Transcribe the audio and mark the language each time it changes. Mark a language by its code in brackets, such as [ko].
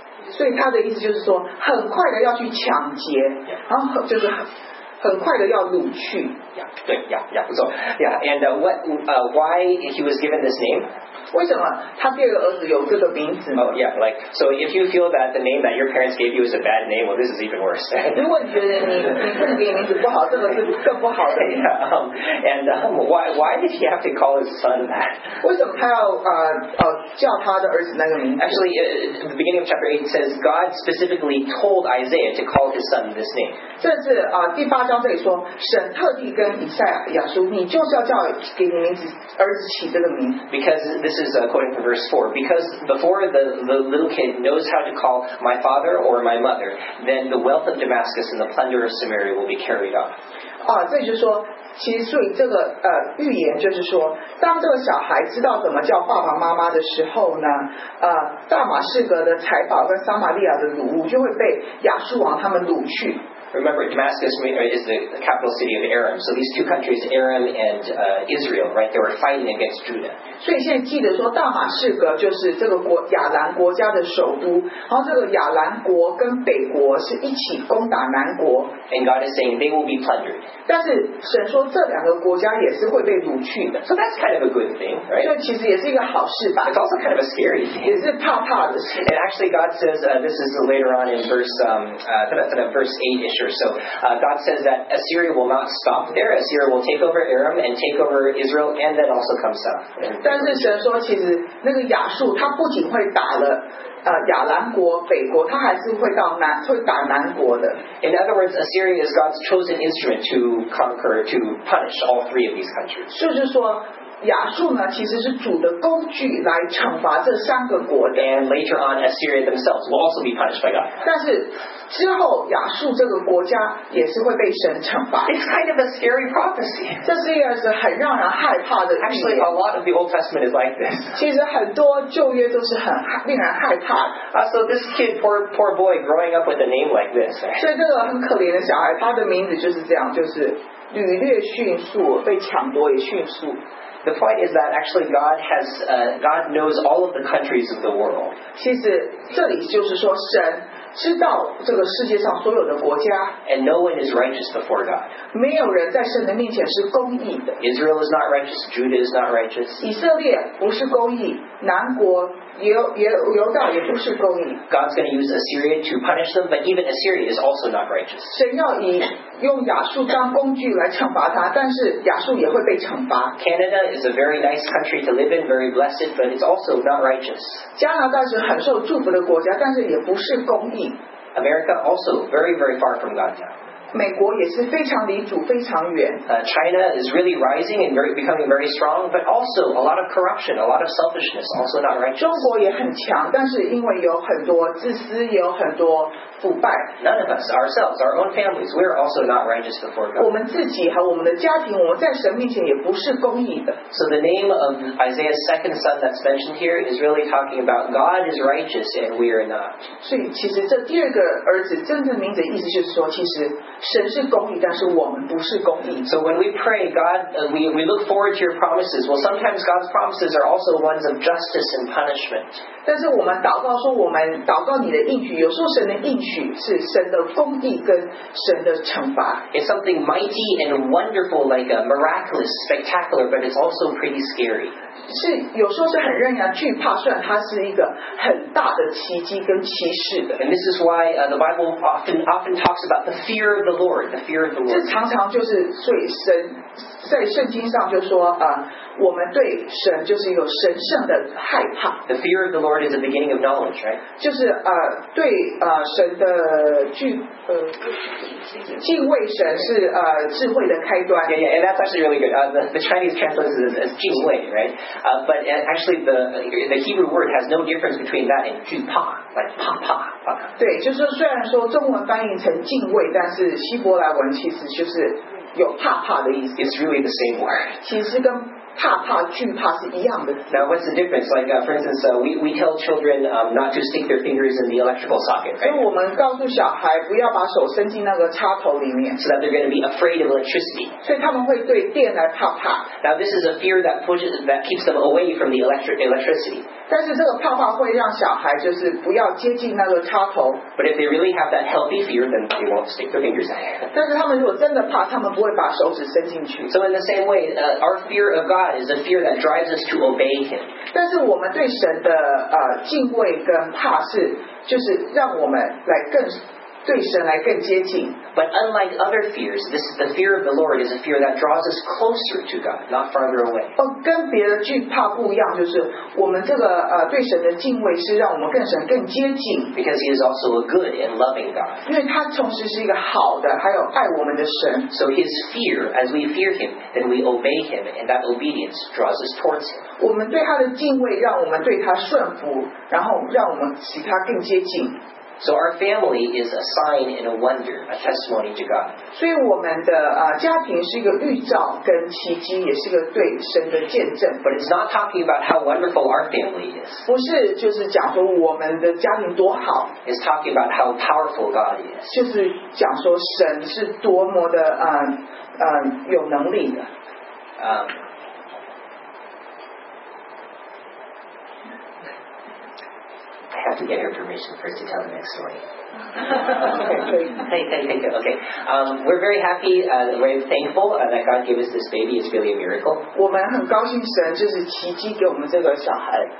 [zh] 所以他的意思就是说，很快的要去抢劫， [en] yeah. [zh] 然后就是很快的要掳去。 [en] Yeah, [zh] 对 [en] ，Yeah, so, yeah. And why he was given this name? [zh] 为什么他第二个儿子有这个名字 [en] ？Oh, yeah. Like, so if you feel that the name that your parents gave you is a bad name, well, this is even worse. [zh] 如果你觉得你父母给名字不好，这个是更不好的。 [en] Yeah, why did he have to call his son that? [zh] 为什么他要叫他的儿子那个名字 [en] ？Actually, the beginning of chapter 8 says God specifically told Isaiah to call his son this name. [zh] 这是第八章这里说神特地。跟以赛亚书，你就是要叫给你名字儿子起这个名字。 [en] Because this is according to verse 4. Because before the little kid knows how to call my father or my mother, then the wealth of Damascus and the plunder of Samaria will be carried off. [zh] 啊，这就是说，其实所以这个预言就是说，当这个小孩知道怎么叫爸爸妈妈的时候呢，大马士革的财宝跟撒玛利亚的掳物就会被亚述王他们掳去。 [en] Remember, Damascus is the capital city of Aram. So these two countries, Aram and Israel, right? They were fighting against Judah. [zh] 所以现在记得说，大马士革就是这个国亚兰国家的首都。然后这个亚兰国跟北国是一起攻打南国。 [en] And God is saying they will be plundered. [zh] 但是神说这两个国家也是会被掳去的。 [en] So that's kind of a good thing, right? [zh] 就其实也是一个好事吧。 [en] It's also kind of a scary thing. [zh] 也是怕怕的事。 [en] And actually, God says this is later on in verse 8-ish. scripture. So God says that Assyria will not stop there. Assyria will take over Aram and take over Israel and then also come south. [zh] 但是神说其实那个亚述他不仅会打了亚兰国北国他还是会到南会打南国的。 [en] In other words, Assyria is God's chosen instrument to conquer, to punish all three of these countries. [zh] 就是说亚述呢其实是主的工具来惩罚这三个国的。 [en] And later on, Assyria themselves will also be punished by God. [zh] 但是之后亚述这个国家也是会被神惩罚。 [en] It's kind of a scary prophecy. [zh] 这是一个很让人害怕的。 [en] Actually, a lot of the Old Testament is like this. [zh] 其实很多旧约都是很令人害怕的。 [en] So this kid, poor boy, growing up with a name like this. [zh] 所以这个很可怜的小孩他的名字就是这样就是屡劣迅速被抢夺也迅速。 [en] The point is that actually God has, God knows all of the countries of the world. [zh] 其实这里就是说神知道这个世界上所有的国家。 [en] And no one is righteous before God. [zh] 没有人在神的面前是公义的。 [en] Israel is not righteous, Judah is not righteous. [zh] 以色列不是公义，南国犹大也不是公义。 [en] God's going to use Assyria to punish them, but even Assyria is also not righteous. [zh] 神要以用亚述当工具来惩罚他，但是亚述也会被惩罚。 [en] Canada is a very nice country to live in, very blessed, but it's also not righteous. [zh] 加拿大是很受祝福的国家，但是也不是公义。 [en] America also very, very far from God now. [zh] 美国也是非常离主非常远。 [en] China is really rising and becoming very strong, but also a lot of corruption, a lot of selfishness, also not righteous. [zh] 中国也很强，但是因为有很多自私，也有很多腐败。 [en] None of us, ourselves, our own families, we are also not righteous before God. [zh] 我们自己和我们的家庭，我们在神面前也不是公义的。 [en] So the name of Isaiah's second son that's mentioned here is really talking about God is righteous and we are not. [zh] 所以其实这第二个儿子真正名字的意思就是说，其实。神是公义，但是我们不是公义。 [en] So when we pray, God, we look forward to your promises. Well, sometimes God's promises are also ones of justice and punishment. [zh] 但是我们祷告说，我们祷告你的应许，有时候神的应许是神的公义跟神的惩罚。 [en] It's something mighty and wonderful, like a miraculous, spectacular, but it's also pretty scary. [zh] 是有时候是很让人惧怕，虽然它是一个很大的奇迹跟奇事的。 [en] And this is why the Bible often talks about the fear of the Lord, the fear of the Lord. [zh] 这常常就是最深。在圣经上就说我们对神就是有神圣的害怕。 [en] The fear of the Lord is the beginning of knowledge, right? [zh] 就是对神的敬畏神是智慧的开端。 [en] Yeah, yeah, and that's actually really good. The Chinese translation is as 敬畏, right? But actually the Hebrew word has no difference between that and 惧怕, like 怕怕。 [zh] 对，就是虽然说中文翻译成敬畏，但是希伯来文其实就是。有怕怕的意思 [en] It's really the same word. [zh] 其实跟怕怕惧怕是一样的。 [en] Now what's the difference? Like for instance, we tell children not to stick their fingers in the electrical socket. [zh] 所以我们告诉小孩不要把手伸进那个插头里面。 [en] So that they're going to be afraid of electricity. [zh] 所以他们会对电来怕怕。 [en] Now this is a fear that pushes that keeps them away from the electricity. [zh] 但是这个怕怕会让小孩就是不要接近那个插头。 [en] But if they really have that healthy fear, then they won't stick their fingers in. [zh] 但是他们如果真的怕，他们不会把手指伸进去。 [en] So in the same way, our fear of God. Is a fear that drives us to obey Him. [zh] 但是我们对神的敬畏跟怕是，就是让我们来更对神来更接近。 [en] But unlike other fears, this is the fear of the Lord is a fear that draws us closer to God, not farther away. [zh] 跟别的惧怕不一样，就是我们这个对神的敬畏是让我们跟神更接近。 [en] Because He is also a good and loving God. [zh] 因为他同时是一个好的，还有爱我们的神。 [en] So His fear, as we fear Him, then we obey Him, and that obedience draws us towards Him. [zh] 我们对他的敬畏，让我们对他顺服，然后让我们使他更接近。 [en] So our family is a sign and a wonder, a testimony to God. [zh] 所以我们的家庭是一个预兆跟奇迹，也是一个对神的见证。 [en] But it's not talking about how wonderful our family is. [zh] 不是就是讲说我们的家庭多好。 [en] It's talking about how powerful God is. [zh] 就是讲说神是多么的有能力的。 [en] have to get your permission first to tell the next story. Thank you. We're very happy, very thankful that God gave us this baby. It's really a miracle. [zh] 我们很高兴神就是奇迹给我们这个小孩。